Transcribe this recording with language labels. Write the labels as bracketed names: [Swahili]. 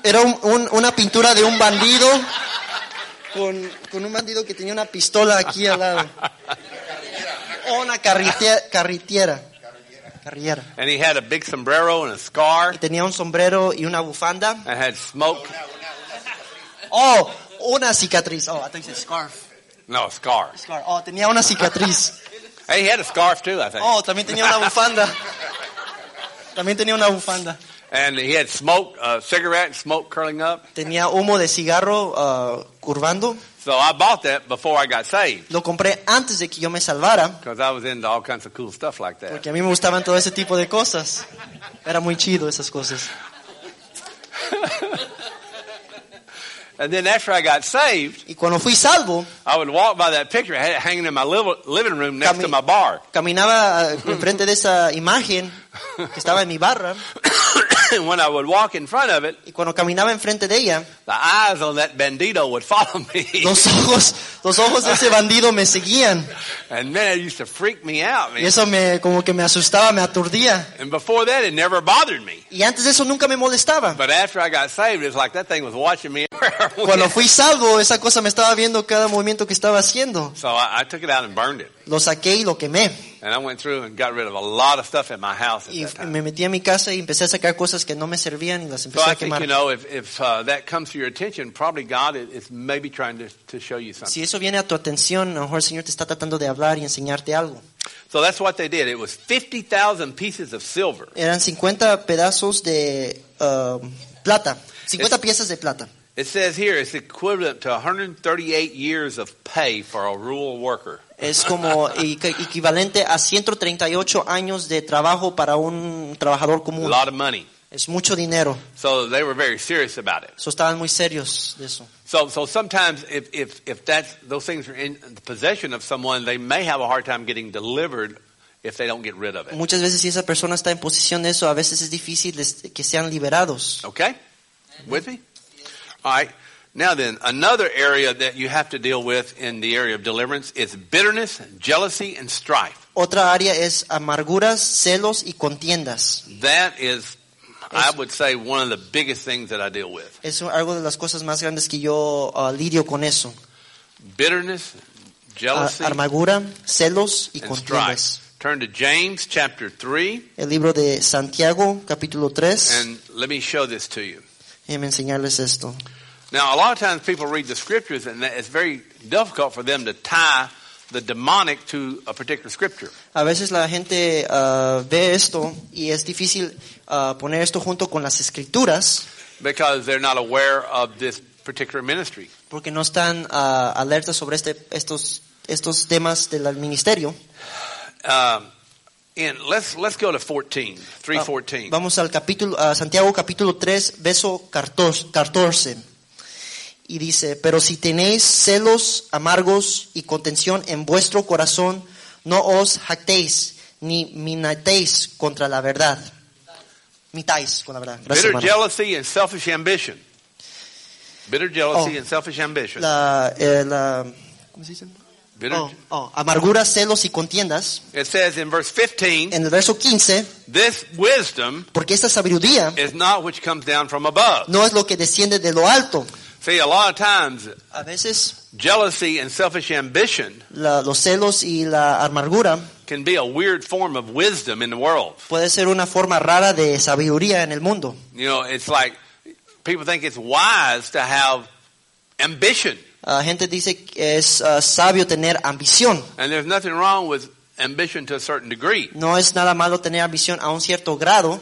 [Spanish] Era una pintura de un bandido con un bandido que tenía una pistola aquí al lado. Una carretera. Carretera. [English] And he had a big sombrero and a scar. [Spanish] Y tenía un sombrero y una bufanda. [English] And had smoke. [Spanish] Oh, una cicatriz. [English] Oh, I thought you said scarf. No, a scar. [Spanish] Oh, tenía una cicatriz. [English] Hey, he had a scarf too, I think. [Spanish] Oh, también tenía una bufanda. También tenía una bufanda. [English] And he had smoke, cigarette smoke curling up. [Spanish] Tenía humo de cigarro curvando. [English] So I bought that before I got saved. [Spanish] Lo compré antes de que yo me salvara. [English] Because I was into all kinds of cool stuff like that. [Spanish] Porque a mí me gustaban todo ese tipo de cosas. Era muy chido esas cosas. [English] And then after I got saved, [Spanish] y cuando fui salvo, [English] I would walk by that picture. I had it hanging in my living room next to my bar. [Spanish] Caminaba enfrente de esa imagen que estaba en mi barra. [English] And when I would walk in front of it, [Spanish] y cuando caminaba enfrente de ella, [English] the eyes on that bandito would follow me. [Spanish] Los ojos de ese bandido me seguían. [English] And man, it used to freak me out, man. [Spanish] Y eso como que me asustaba, me aturdía. [English] And before that, it never bothered me. [Spanish] Y antes de eso nunca me molestaba. [English] But after I got saved, it's like that thing was watching me. [Spanish] Cuando fui salvo, esa cosa me estaba viendo cada movimiento que estaba haciendo. [English] So I took it out and burned it. [Spanish] Lo saqué y lo quemé. [English] And I went through and got rid of a lot of stuff in my house at that time. [Spanish] Me metí a mi casa y empecé a sacar cosas que no me servían y las empecé a quemar. [English] So I think, you know, if that comes to your attention, probably God is maybe trying to show you something. [Spanish] Si eso viene a tu atención, a lo mejor el Señor te está tratando de hablar y enseñarte algo. [English] So that's what they did. It was 50,000 pieces of silver. [Spanish] Eran 50 pedazos de plata. 50 piezas de plata. [English] It says here it's equivalent to 138 years of pay for a rural worker. [Spanish] Es como equivalente a 138 años de trabajo para un trabajador común. [English] A lot of money. [Spanish] Es mucho dinero. [English] So they were very serious about it. [Spanish] So estaban muy serios de eso. [English] So sometimes if that those things are in the possession of someone, they may have a hard time getting delivered if they don't get rid of it. [Spanish] Muchas veces si esa persona está en posesión de eso, a veces es difícil que sean liberados. [English] Okay? With me? All right. Now then, another area that you have to deal with in the area of deliverance is bitterness, jealousy, and strife. [Spanish] Otra área es amarguras, celos, y contiendas. [English] That is, I would say, one of the biggest things that I deal with. [Spanish] Es algo de las cosas más grandes que yo lidio con eso. [English] Bitterness, jealousy, [Spanish] amargura, celos, y [English] and [Spanish] contiendas. [English] Strife. Turn to James chapter 3. [Spanish] El libro de Santiago, capítulo 3. [English] And let me show this to you. [Spanish] Déjenme enseñarles esto. [English] Now, a lot of times people read the scriptures and it's very difficult for them to tie the demonic to a particular scripture. [Spanish] A veces la gente ve esto y es difícil poner esto junto con las escrituras. Because they're not aware of this particular ministry. Porque no están alertas sobre estos temas del ministerio. [English] And let's go to 14, 3:14. [Spanish] Vamos al capítulo Santiago capítulo 3, verso 14. Y dice, pero si tenéis celos amargos y contención en vuestro corazón, No os jactéis ni mintáis contra la verdad. Mintáis con la verdad. Gracias, [English] bitter [Spanish] hermano. [English] Jealousy and selfish ambition. Bitter jealousy and selfish ambition. [Spanish] ¿Cómo se dice? Amargura, celos y contiendas. [English] It says in verse 15. [Spanish] En el verso 15. [English] This wisdom. [Spanish] Porque esta sabiduría. [English] Is not which comes down from above. [Spanish] No es lo que desciende de lo alto. [English] See, a lot of times. [Spanish] A veces. [English] Jealousy and selfish ambition. [Spanish] Los celos y la amargura. [English] Can be a weird form of wisdom in the world. [Spanish] Puede ser una forma rara de sabiduría en el mundo. [English] You know, it's like people think it's wise to have ambition. [Spanish] Gente dice que es sabio tener ambición. [English] And there's nothing wrong with ambition to a certain degree. [Spanish] No es nada malo tener ambición a un cierto grado.